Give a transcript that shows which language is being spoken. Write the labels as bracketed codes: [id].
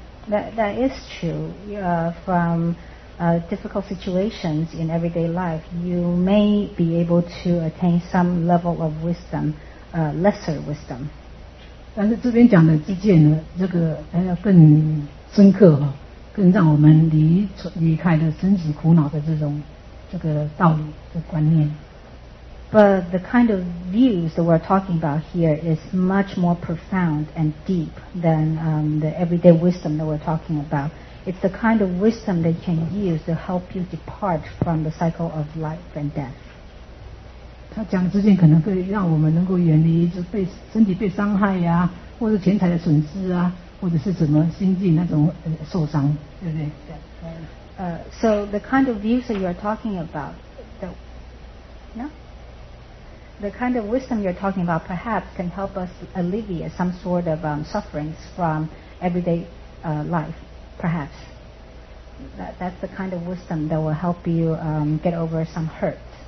[en] That is true. From difficult situations in everyday life, you may be able to attain some level of wisdom, lesser wisdom. [zh] 但是这边讲的知见呢，这个更深刻哈，更让我们离开了生死苦恼的这种这个道理的观念。 [en] But the kind of views that we're talking about here is much more profound and deep than the everyday wisdom that we're talking about. It's the kind of wisdom that you can use to help you depart from the cycle of life and death. [zh] 他讲之前可能会让我们能够远离就被身体被伤害呀、或者钱财的损失啊，或者是什么心境那种受伤，对不对？ [en] So the kind of views that you're talking about, the, The kind of wisdom you're talking about perhaps can help us alleviate some sort of sufferings from everyday life, perhaps. That's the kind of wisdom that will help you get over some hurt.